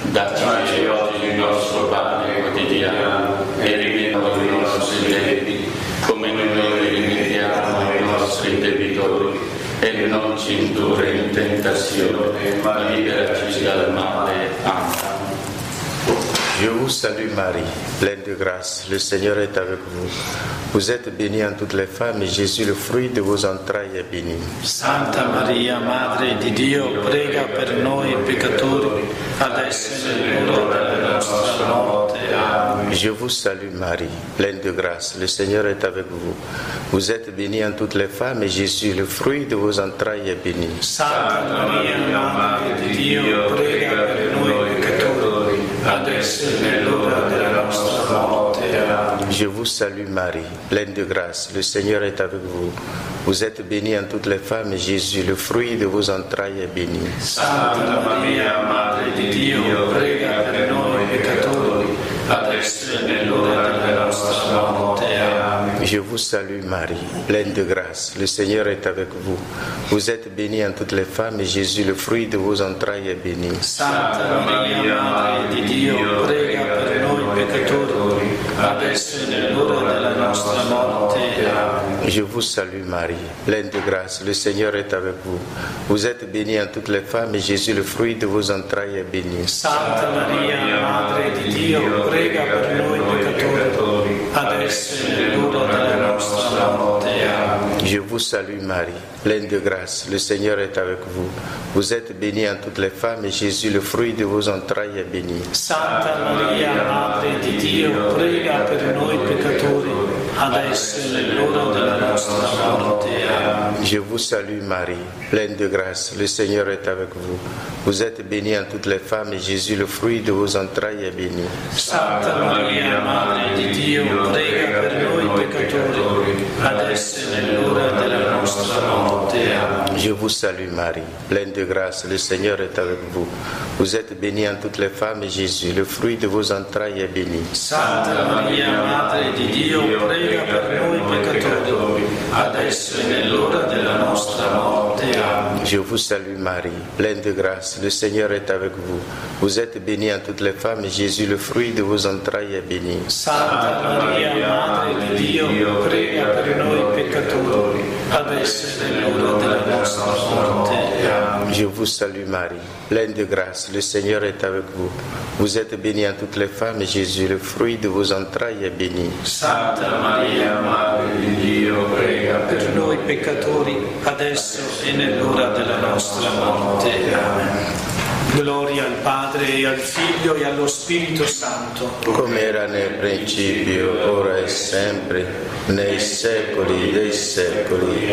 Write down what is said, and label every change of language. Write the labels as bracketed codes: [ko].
[it] Dacci oggi il nostro pane quotidiano, e rimettiamo i nostri debiti, come noi rimettiamo i nostri debitori, e non ci indurre in tentazione, ma liberaci dal male. Amen. [fr] Je vous salue Marie, pleine de grâce, le Seigneur est avec vous. Vous êtes bénie entre toutes les femmes et Jésus, le fruit de vos entrailles, est béni. [it] Santa Maria, Madre di Dio, prega per noi peccatori, adesso e nell'ora della nostra morte. Amen. [fr] Je vous salue Marie, pleine de grâce, le Seigneur est avec vous. Vous êtes bénie entre toutes les femmes et Jésus, le fruit de vos entrailles, est béni. [it] Santa Maria, Madre di Dio, prega per noi peccatori, adesso e nell'ora della nostra morte. Amen. [fr] Je vous salue Marie, pleine de grâce, le Seigneur est avec vous. Vous êtes bénie entre toutes les femmes et Jésus, le fruit de vos entrailles, est béni. [it] Santa Maria, Madre di Dio, prega per noi peccatori, adesso e nell'ora della nostra morte. Amen. [fr] Je vous salue Marie, pleine de grâce, le Seigneur est avec vous. Vous êtes bénie entre toutes les femmes et Jésus, le fruit de vos entrailles, est béni. [it] Santa Maria, Madre di Dio, prega per noi peccatori, adesso e nell'ora della nostra morte. Amen. [fr] Je vous salue Marie, pleine de grâce, le Seigneur est avec vous. Vous êtes bénie entre toutes les femmes et Jésus, le fruit de vos entrailles, est béni. [it] Santa Maria, Madre di Dio, prega per noi peccatori, adesso e nell'ora della nostra morte. Amen. [fr] Je vous salue Marie, pleine de grâce, le Seigneur est avec vous. Vous êtes bénie entre toutes les femmes et Jésus, le fruit de vos entrailles, est béni. [it] Santa Maria, Madre di Dio, prega per noi peccatori, adesso e nell'ora della nostra morte. Amen. [fr] Je vous salue Marie, pleine de grâce, le Seigneur est avec vous. Vous êtes bénie entre toutes les femmes et Jésus, le fruit de vos entrailles, est béni. [it] Santa Maria, Madre di Dio, prega per noi peccatori, adesso e nell'ora della nostra morte. Amen. [fr] Je vous salue Marie, pleine de grâce, le Seigneur est avec vous. Vous êtes bénie entre toutes les femmes et Jésus, le fruit de vos entrailles, est béni. [it] Santa Maria, Madre di Dio, prega per noi peccatori, adesso e nell'ora della nostra morte. Amen. [fr] Je vous salue Marie, pleine de grâce, le Seigneur est avec vous. Vous êtes bénie entre toutes les femmes et Jésus, le fruit de vos entrailles, est béni. [it] Santa Maria, Madre di Dio, prega per noi peccatori, adesso e nell'ora della nostra morte. Amen. [fr] Je vous salue Marie, pleine de grâce, le Seigneur est avec vous. Vous êtes bénie entre toutes les femmes et Jésus, le fruit de vos entrailles, est béni. [it] Santa Maria, Madre di Dio, prega per noi peccatori, adesso e nell'ora della nostra morte. Amen. Gloria al Padre, al Figlio e allo Spirito Santo, come era nel principio, ora e sempre, nei secoli dei secoli.